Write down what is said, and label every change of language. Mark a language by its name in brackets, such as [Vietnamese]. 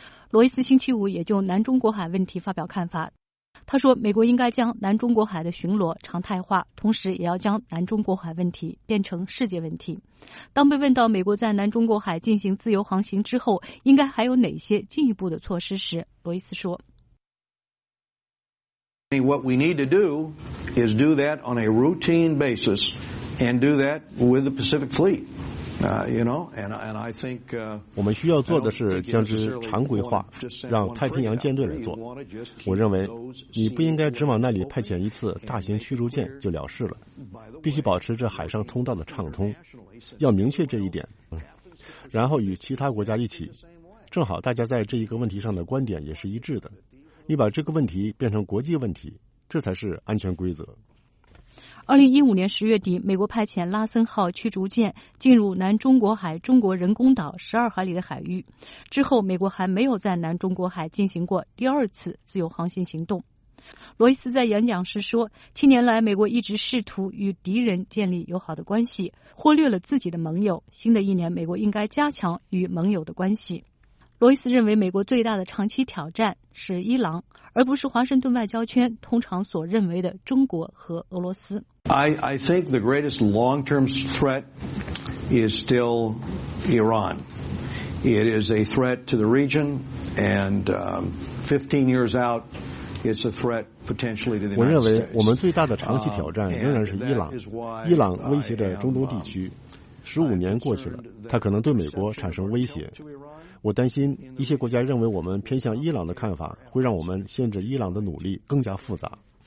[Chinese] 罗伊斯星期五也就南中国海问题发表看法。他说，美国应该将南中国海的巡逻常态化，同时也要将南中国海问题变成世界问题。当被问到美国在南中国海进行自由航行之后，应该还有哪些进一步的措施时，罗伊斯说， [English] What we need to do is do that on a routine basis and do that with the Pacific Fleet. [Chinese] 我们需要做的是将之常规化，让太平洋舰队来做。我认为你不应该只往那里派遣一次大型驱逐舰就了事了，必须保持这海上通道的畅通，要明确这一点，然后与其他国家一起，正好大家在这一个问题上的观点也是一致的，你把这个问题变成国际问题，这才是安全规则。 2015年10月底，美国派遣拉森号驱逐舰进入南中国海中国人工岛12海里的海域，之后美国还没有在南中国海进行过第二次自由航行行动。罗伊斯在演讲时说，七年来美国一直试图与敌人建立友好的关系，忽略了自己的盟友，新的一年美国应该加强与盟友的关系。罗伊斯认为，美国最大的长期挑战是伊朗，而不是华盛顿外交圈通常所认为的中国和俄罗斯。 [English] I think the greatest long-term threat is still Iran. It is a threat to the region, and 15 years out, it's a threat potentially to the United States. [Chinese] 我认为我们最大的长期挑战仍然是伊朗。伊朗威胁着中东地区，15年过去了，它可能对美国产生威胁。我担心一些国家认为我们偏向伊朗的看法会让我们限制伊朗的努力更加复杂。